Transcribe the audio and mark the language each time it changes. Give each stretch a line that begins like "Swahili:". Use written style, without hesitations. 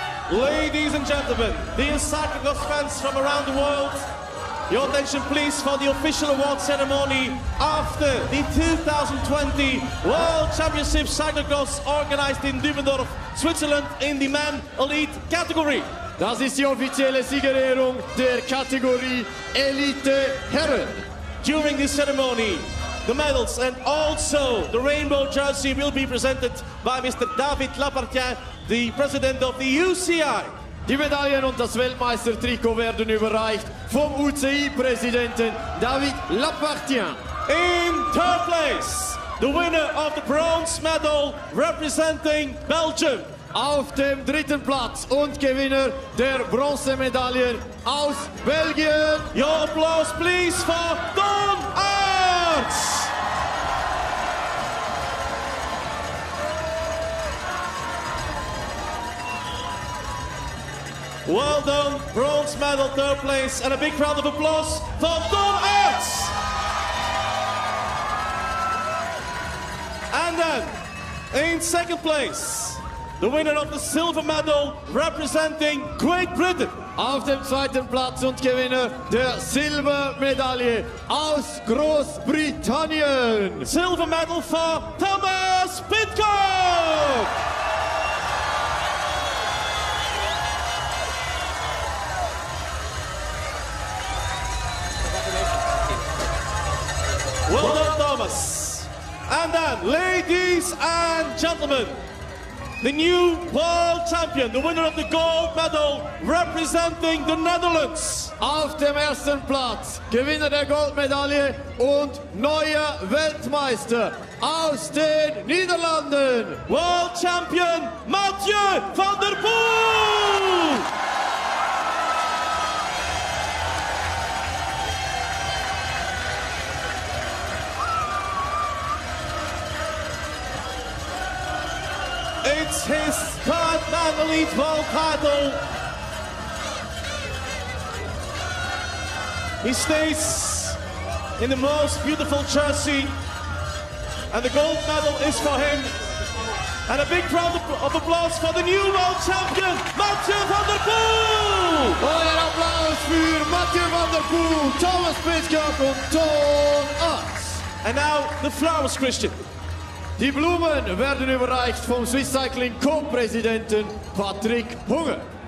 English: Ladies and gentlemen, dear cyclocross fans from around the world, your attention please for the official award ceremony after the 2020 World Championship Cyclocross organized in Dübendorf, Switzerland in the Men Elite category.
German: Das ist die offizielle Siegerehrung der Kategorie Elite Herren.
English: During this ceremony, the medals and also the rainbow jersey will be presented by Mr. David Lapartien, the president of the UCI.
German: Die Medaillen und das Weltmeistertrikot werden überreicht vom UCI-Präsidenten David Lapartien.
English: In third place, the winner of the bronze medal representing Belgium.
German: Auf dem dritten Platz und Gewinner der Bronzemedaille aus Belgien.
English: Your applause, please, for Don Ernst! Well done, bronze medal, third place, and a big round of applause for Don Ernst! And then, in second place, the winner of the silver medal representing Great Britain.
German: Auf dem zweiten Platz und Gewinner der Silbermedaille aus Großbritannien.
English: Silver medal for Thomas Pitcock! Well done, Thomas. And then, ladies and gentlemen, the new world champion, the winner of the gold medal, representing the Netherlands.
German: Auf dem ersten Platz, Gewinner der Goldmedaille und neuer Weltmeister aus den Niederlanden.
English: World champion, Mathieu van der Poel. It's his third man elite world title. He stays in the most beautiful jersey. And the gold medal is for him. And a big round of applause for the new world champion, Mathieu van der Poel!
Dutch: Een applaus voor Mathieu van der Poel, Thomas Pitcock en Don Ernst.
English: And now the flowers, Christian.
German: Die Blumen werden überreicht vom Swiss Cycling Co-Präsidenten Patrick Hunger.